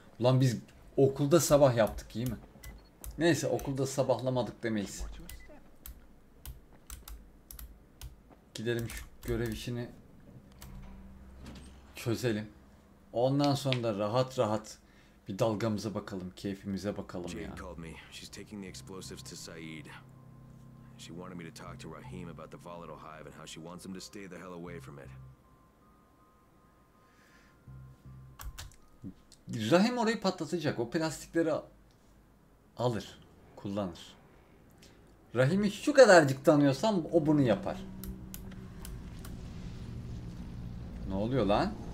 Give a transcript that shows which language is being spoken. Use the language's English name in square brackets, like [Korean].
[Turkish] Ulan biz okulda sabah yaptık, iyi mi? Neyse, okulda sabahlamadık demeyiz. Gidelim şu görev işini çözelim. Ondan sonra da rahat rahat bir dalgamıza bakalım, keyfimize bakalım [English] Jane [Turkish] ya. [English] called me. She's taking the explosives to Saeed. She wanted me to talk to Rahim about the volatile hive and how she wants him to stay the hell away from it. [Turkish] Rahim orayı patlatacak. O plastikleri alır, kullanır. Rahim'i şu kadarcık tanıyorsam o bunu yapar. Ne oluyor lan?